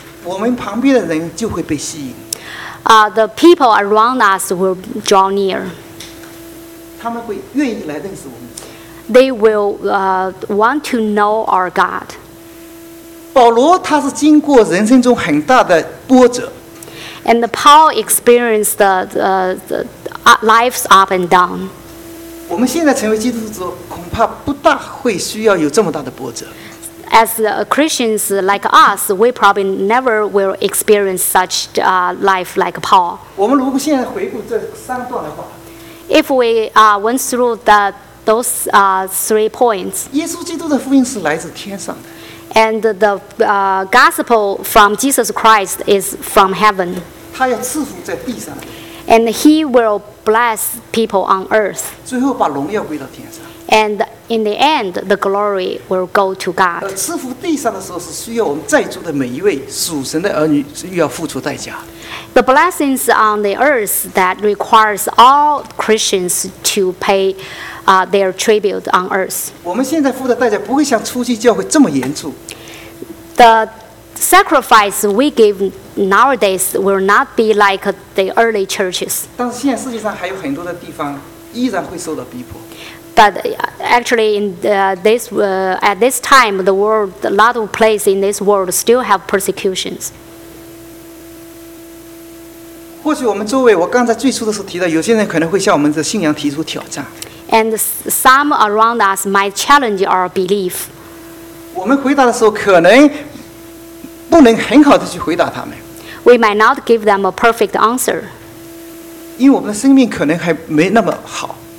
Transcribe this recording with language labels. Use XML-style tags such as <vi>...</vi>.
<zh>我们旁边的人就会被吸引。</zh> <en>The people around us will draw near.</en> <zh>他们会愿意来认识我们。</zh> <en>They will want to know our God.</en> <zh>保罗他是经过人生中很大的波折。</zh> <en>And Paul experienced the life's up and down.</en> <zh>我们现在成为基督徒之后，恐怕不大会需要有这么大的波折。</zh> <en>As Christians like us, we probably never will experience such life like Paul.</en> <zh>我们如果现在回顾这三段的话</zh> <en>，If we went through those three points,</en> <zh>耶稣基督的福音是来自天上的</zh> <en>，and the gospel from Jesus Christ is from heaven.</en> <zh>他要赐福在地上。</zh> <en>And he will bless people on earth.</en> <zh>最后把荣耀归到天上。</zh> <en>And in the end, the glory will go to God.</en> <zh>赐福地上的时候是需要我们在座的每一位属神的儿女是要付出代价。</zh> <en>The blessings on the earth that requires all Christians to pay their tribute on earth.</en> <zh>我们现在付的代价不会像初期教会这么严重。</zh> <en>The sacrifice we give nowadays will not be like the early churches.</en> <zh>但是现在世界上还有很多的地方依然会受到逼迫。</zh> <en>But actually, in this at this time, the world, a lot of places in this world still have persecutions.</en> <zh>或许我们周围，我刚才最初的时候提到，有些人可能会向我们的信仰提出挑战。</zh> <en>And some around us might challenge our belief.</en> <zh>我们回答的时候可能。不能很好地去回答他们。</zh> <en>We might not give them a perfect answer.</en> <zh>因为我们的生命可能还没那么好。</zh>